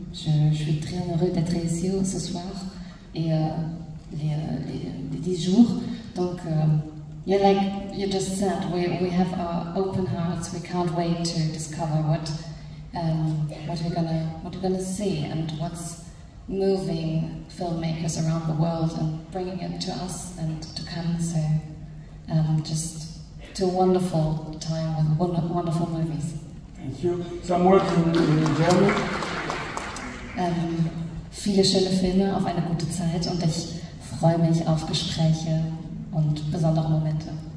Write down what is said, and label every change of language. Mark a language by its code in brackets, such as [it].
[fr] Je suis très heureuse d'être ici ce soir et les 10 jours. [en] Donc, you just said, we have our open hearts. We can't wait to discover what we're gonna see and what's moving filmmakers around the world and bringing it to us and to Cannes, so just to a wonderful time with wonderful movies. Thank you. Some words in German. [de] Viele schöne Filme auf eine gute Zeit und ich freue mich auf Gespräche und besondere Momente.